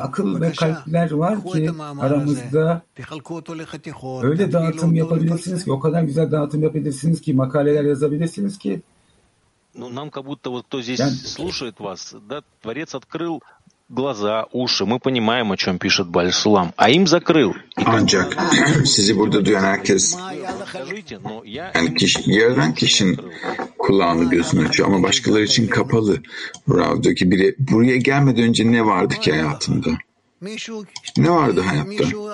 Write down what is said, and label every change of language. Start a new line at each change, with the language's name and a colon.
Turkish: akıl ve kalpler var ki aramızda öyle dağıtım yapabilirsiniz ki o kadar güzel dağıtım yapabilirsiniz ki makaleler yazabilirsiniz ki.
Russian: Нам как будто вот кто здесь слушает вас, да, Творец открыл глаза, уши, мы понимаем, о чем пишет Бальсулам, а им закрыл.
Turkish: Ancak sizi burada duyan herkes, yani yaradan kişinin kulağını gözünü açıyor ama başkaları için kapalı. Rav'da ki biri, buraya gelmeden önce ne vardı ki hayatında? Ne vardı hayatta?